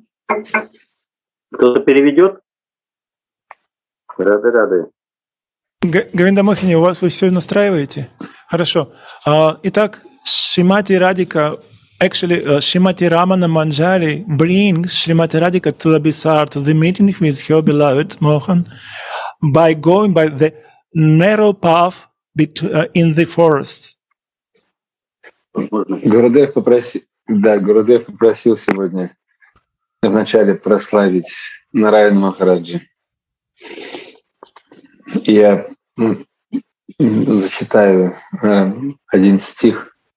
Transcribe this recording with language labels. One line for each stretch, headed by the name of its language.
Russian: Кто-то переведет? Рады-рады. Говинда Мохини, у вас вы все настраиваете? Хорошо. Итак, Шримати Радика.
English: Actually, Srimati Ramana Manjari brings Srimati Radhika to Abhisar, to the meeting with her beloved Mohan, by going by the narrow path in the forest.
Russian: Gurudev попросил сегодня вначале прославить Нараяну Махараджи. Я зачитаю один стих.